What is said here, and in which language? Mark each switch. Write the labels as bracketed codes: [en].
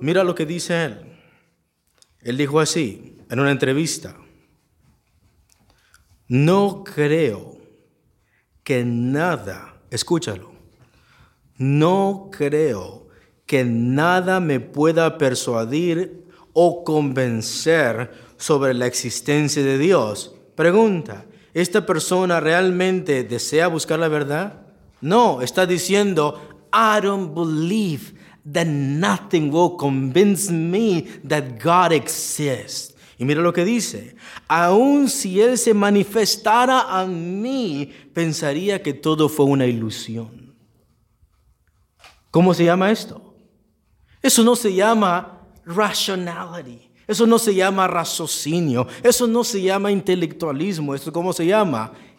[es] Mira lo que dice él. Él dijo así, en una entrevista: no creo que nada, escúchalo, no creo que nada me pueda persuadir o convencer sobre la existencia de Dios. Pregunta, ¿esta persona realmente desea buscar la verdad? No, está diciendo, [en] I don't believe that nothing will convince me that God exists. [es] Y mira lo que dice, aun si Él se manifestara a mí, pensaría que todo fue una ilusión. ¿Cómo se llama esto? Eso no se llama rationality. Eso no se llama raciocinio. Eso no se llama intelectualismo. ¿Eso cómo se llama?